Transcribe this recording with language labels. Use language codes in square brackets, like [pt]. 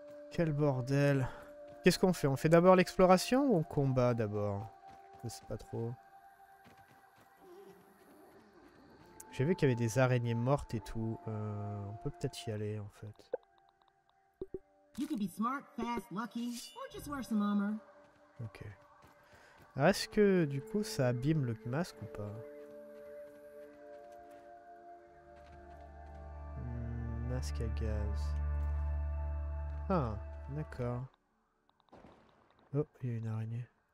[fr] Quel bordel. Qu'est-ce qu'on fait? On fait d'abord l'exploration ou on combat d'abord? Je sais pas trop. J'ai vu qu'il y avait des araignées mortes et tout. On peut peut-être y aller en fait. [en] You could be smart, fast, lucky, or just wear some armor. Ok. [fr] Est-ce que, du coup, ça abîme le masque ou pas? Masque à gaz. Ah, d'accord. Oh, il y a une araignée.